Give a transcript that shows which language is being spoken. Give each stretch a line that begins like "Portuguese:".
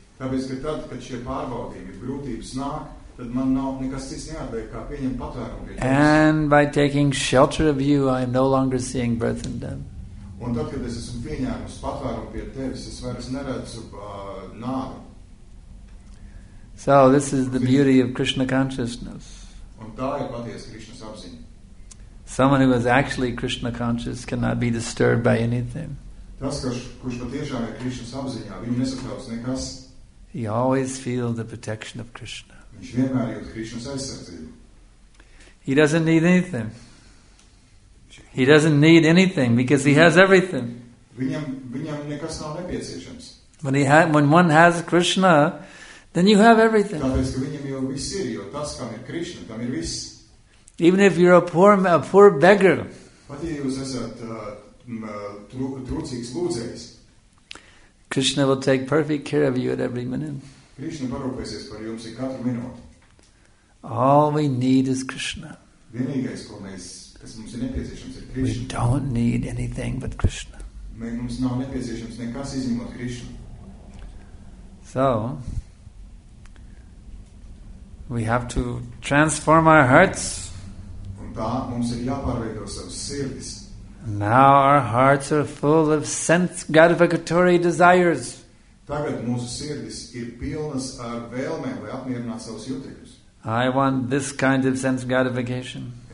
English: And by taking shelter of you, I am no longer seeing birth and death.
Latvian: Un tad, kad es esmu pieņēmusi patvērumu pie tevis, es vairs neredzu nāvi.
English: So this is the beauty of Krishna consciousness.
Latvian: Un tā ir paties Krishnas apziņa.
English: Someone who is actually Krishna conscious cannot be disturbed by anything.
Latvian: Tas, kurš patiešām ir Krishnas apziņā, viņš nesatrauc nekas.
English: He always feels the protection of Krishna.
Latvian: Viņš vienmēr jūt Krishnas aizsardzību.
English: He doesn't need anything. He doesn't need anything because he has everything.
Latvian: Viņam nekas nav nepieciešams.
English: When one has Krishna, then you have everything.
Latvian: Tāpēc, ka viņam jau viss ir, jo tas, kam ir Krishna, tam ir viss.
English: Even if you're a poor beggar.
Latvian: Pat, ja jūs esat trūcīgs lūdzējs.
English: Krishna will take perfect care of you at every minute.
Latvian: Krishna parūpēsies par jums ik katru minūti.
English: All we need is Krishna.
Latvian: Vienīgais, ko mēs kas mums ir nepieciešams, ir Krishna.
English: We don't need anything but Krishna.
Latvian: Mums nav nepieciešams nekas izņemot Krishna.
English: So, we have to transform our hearts.
Latvian: Un tā, mums ir jāpārveido savas sirdis.
English: Now our hearts are full of sense gratificatory desires.
Latvian: Tagad mūsu sirdis ir pilnas ar vēlmēm, lai apmierinātu savus jūtīgus.
English: I want this kind of sense gratification.